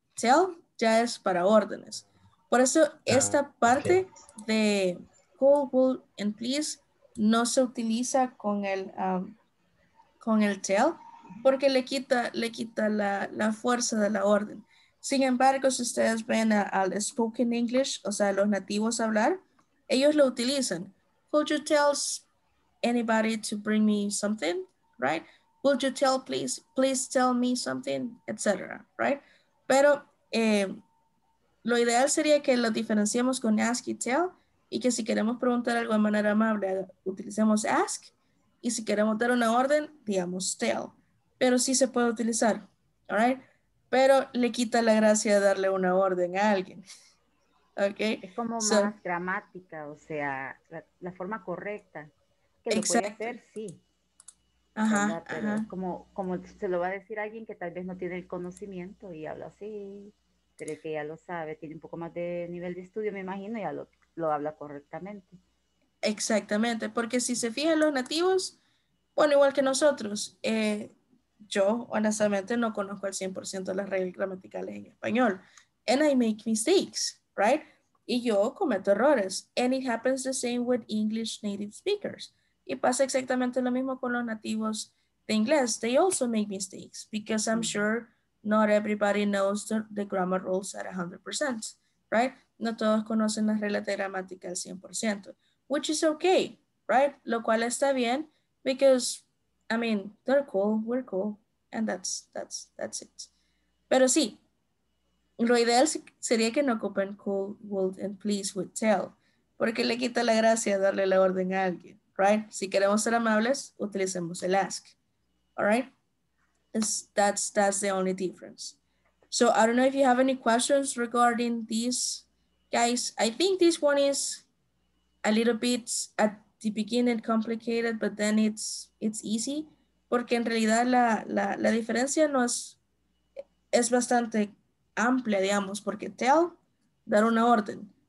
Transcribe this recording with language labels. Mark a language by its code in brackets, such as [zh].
[es] Tell ya es para órdenes. Por eso esta parte de [en] call, will, and please [es] no se utiliza con el tell porque le quita la fuerza de la orden. Sin embargo, si ustedes ven al spoken English, o sea, los nativos hablar, ellos lo utilizan. [en] Could you tell anybody to bring me something, right? Would you tell, please tell me something, etc., right? [es] Pero lo ideal sería que lo diferenciemos con ask y tell, y que si queremos preguntar algo de manera amable, utilicemos ask, y si queremos dar una orden, digamos tell. Pero sí se puede utilizar, [en] all right? [es] Pero le quita la gracia de darle una orden a alguien. Okay. Es como más dramática, o sea, la forma correcta. Que lo puede hacer, sí. Ajá, como se lo va a decir alguien que tal vez no tiene el conocimiento y habla así, pero que ya lo sabe, tiene un poco más de nivel de estudio, me imagino, y ya lo habla correctamente. Exactamente, porque si se fijan los nativos, bueno, igual que nosotros, yo honestamente no conozco al 100% las reglas gramaticales en español. [en] And I make mistakes, right? [es] Y yo cometo errores. [en] And it happens the same with English native speakers. [es] Y pasa exactamente lo mismo con los nativos de inglés. [en] They also make mistakes because I'm sure not everybody knows the grammar rules at 100%, right? [es] No todos conocen las reglas de gramática al 100%, [en] which is okay, right? [es] Lo cual está bien [en] because, I mean, they're cool, we're cool, and that's it. [es] Pero sí, lo ideal sería que no ocupen [en] cool, would, and please would tell, [es] porque le quita la gracia darle la orden a alguien. [en] Right? [es] Si queremos ser amables, utilicemos el ask. [en] All right? That's the only difference. So I don't know if you have any questions regarding these guys. I think this one is a little bit at the beginning complicated, but then it's easy. [es] Porque en realidad la diferencia no es bastante amplia, digamos, porque tell, dar una orden.